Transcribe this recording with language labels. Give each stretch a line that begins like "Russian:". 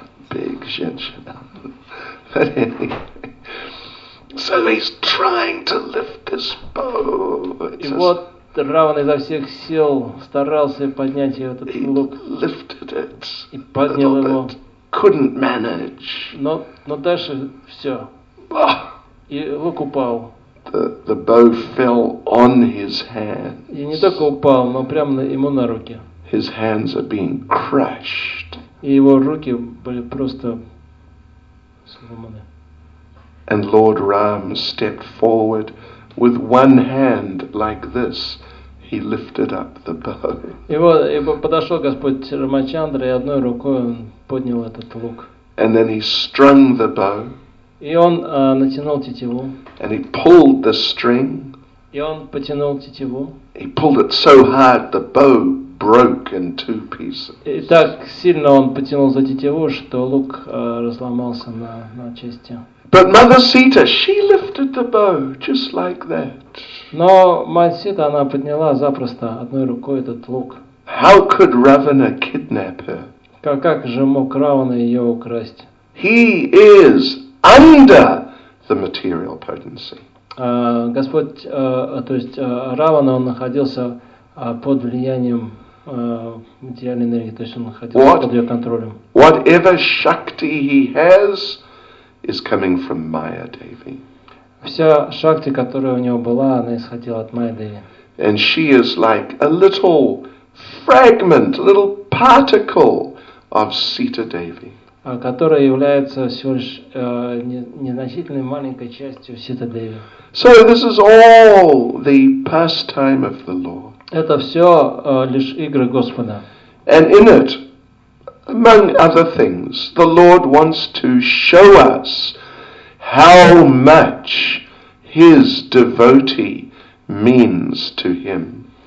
English: Big
Russian: женщина.
English: But anyway. So he's trying to lift this bow.
Russian: И вот Раван изо всех сил старался поднять этот лук.
English: Lifted it.
Russian: И поднял его.
English: Couldn't manage.
Russian: Но дальше все. И лук упал.
English: The bow fell on his hands.
Russian: И не только упал, но прямо ему на руки.
English: His hands are being crushed.
Russian: И его руки были просто сломаны.
English: And Lord Ram stepped forward with one hand like this. He lifted up the bow.
Russian: И подошел Господь Рамачандра и одной рукой он поднял этот лук.
English: And then he strung the bow.
Russian: И он натянул тетиву.
English: And he pulled the string.
Russian: И он потянул тетиву.
English: He pulled it so hard the bow broke in two pieces.
Russian: И так сильно он потянул за тетиву, что лук разломался на части.
English: But Mother Sita, she lifted the bow just like that.
Russian: Но мать Сита она подняла запросто одной рукой этот лук.
English: How could Ravana kidnap her?
Russian: Как же мог Равана ее украсть?
English: He is under the material potency.
Russian: Господь, то есть Равана, он находился под влиянием материальной энергии, то есть он находился под ее контролем.
English: Whatever shakti he has is coming from Maya Devi.
Russian: Вся шакти, которая у него была, она исходила от Майя Деви.
English: And she is like a little fragment, a little particle of Sita Devi.
Russian: Которая является всего лишь незначительной маленькой частью Сита Деви.
English: So this is all the pastime of the Lord.
Russian: Это все лишь игры Господа.
English: And in it, among other things, the Lord wants to show us how much his devotee means to him.